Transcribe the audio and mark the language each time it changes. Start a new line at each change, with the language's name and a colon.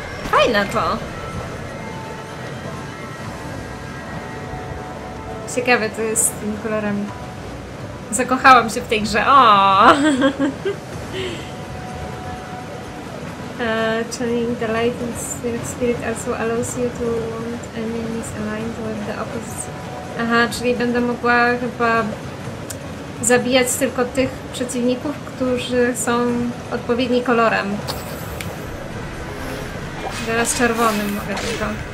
Polish: Fajne to! Ciekawe to jest z tymi kolorami. Zakochałam się w tej grze. O!
English: Channeling the light in spirit also allows you to want enemies aligned with the opposite.
Polish: Aha, czyli będę mogła chyba zabijać tylko tych przeciwników, którzy są odpowiedni kolorem. Teraz czerwonym mogę tylko.